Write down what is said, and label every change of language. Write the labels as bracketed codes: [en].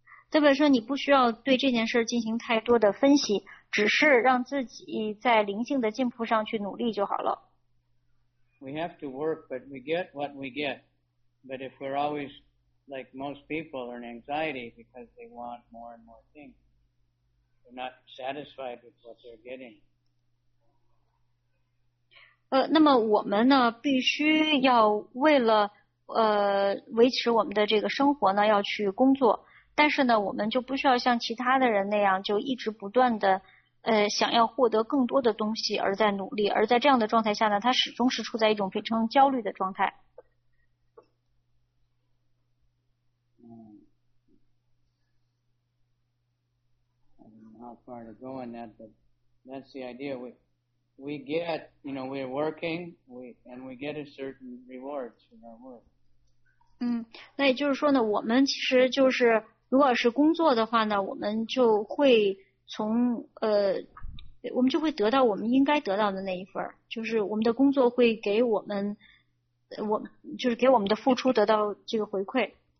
[zh] 这本书你不需要对这件事进行太多的分析，只是让自己在灵性的进步上去努力就好了。 [en] We have to work, but we get what we get. But if we're always like most people are in anxiety because they want more and more things, they're not satisfied with what they're getting. [zh] 那么我们呢，必须要为了维持我们的这个生活呢，要去工作。但是呢，我们就不需要像其他的人那样，就一直不断的，想要获得更多的东西而在努力，而在这样的状态下呢，他始终是处在一种非常焦虑的状态。 [en] I don't know how far to go in that, but that's the idea. We get, you know, we're working, we get a certain rewards from our work. [zh] 那也就是说呢，我们其实就是。如果是工作的话呢，我们就会从我们就会得到我们应该得到的那一份，就是我们的工作会给我们，我就是给我们的付出得到这个回馈。